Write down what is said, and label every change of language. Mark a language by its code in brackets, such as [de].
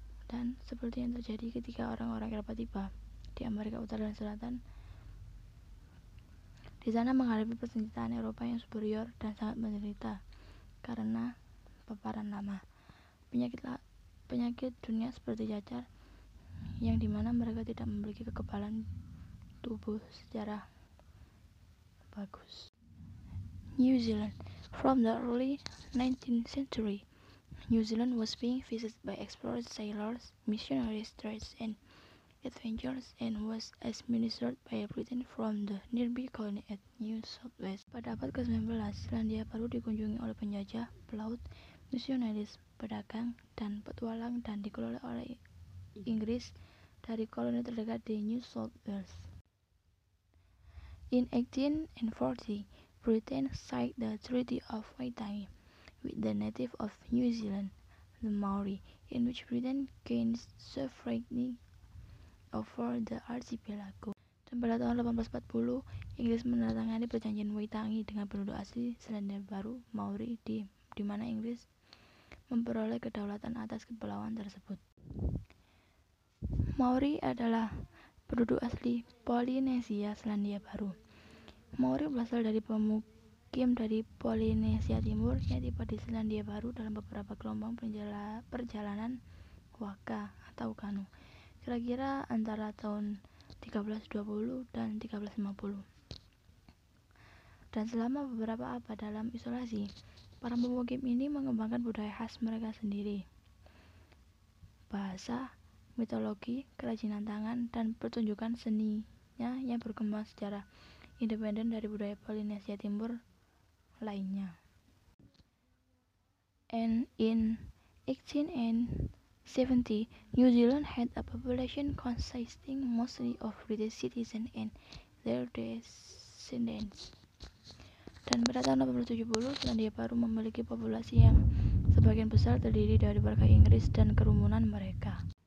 [id] Dan seperti yang terjadi ketika orang-orang Eropa tiba di Amerika Utara dan Selatan, di sana menghadapi persenjataan Eropa yang superior dan sangat menderita karena paparan lama. Penyakit dunia seperti cacar, yang dimana mereka tidak memiliki kekebalan tubuh secara bagus. [en] New Zealand. From the early 19th century, New Zealand was being visited by explorers, sailors, missionaries, traders, and adventurers, and was administered by Britain from the nearby colony at New South Wales. [id] Pada abad ke-19, Selandia Baru dikunjungi oleh penjajah, pelaut, misionaris, pedagang, dan petualang, dan dikelola oleh Inggris dari koloni terdekat di New South Wales. [en] In 1840, Britain signed the Treaty of Waitangi with the native of New Zealand, the Maori, in which Britain gained sovereignty over the archipelago. [id] Dan pada tahun 1840, Inggris menandatangani perjanjian Waitangi dengan penduduk asli Selandia Baru, Maori, di mana Inggris memperoleh kedaulatan atas kepulauan tersebut. Maori adalah penduduk asli Polinesia Selandia Baru. Maori berasal dari pemukim dari Polinesia Timur yang tiba di Selandia Baru dalam beberapa gelombang perjalanan Waka atau Kanu, kira-kira antara tahun 1320 dan 1350. Dan selama beberapa abad dalam isolasi, para pemukim ini mengembangkan budaya khas mereka sendiri, bahasa, mitologi, kerajinan tangan, dan pertunjukan seninya yang berkembang secara independen dari budaya Polinesia Timur lainnya. [en] And in 1870, New Zealand had a population consisting mostly of British citizens and their descendants. [id] Dan pada tahun 1870, Selandia Baru memiliki populasi yang sebagian besar terdiri dari warga Inggris dan keturunan mereka.